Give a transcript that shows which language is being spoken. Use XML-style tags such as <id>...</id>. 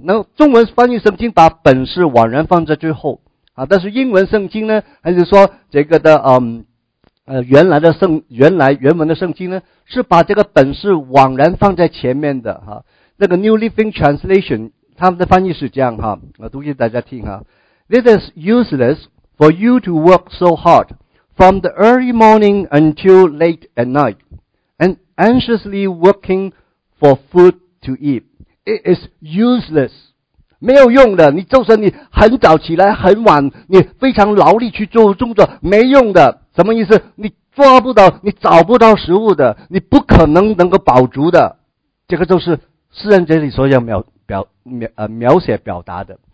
<zh>那中文翻译圣经把本是枉然放在最后啊，但是英文圣经呢还是说这个的原文的圣经呢是把这个本是枉然放在前面的哈。那个 New Living Translation 他们的翻译是这样哈，我读给大家听哈。</zh> <en>It is useless for you to work so hard from the early morning until late at night and anxiously working for food to eat. It is useless.</en> <zh>没有用的，你就算你很早起来很晚，你非常劳力去做工作，没用的。什么意思？你抓不到，你找不到食物的，你不可能能够饱足的。这个就是诗人这里所要描写表达的。</zh>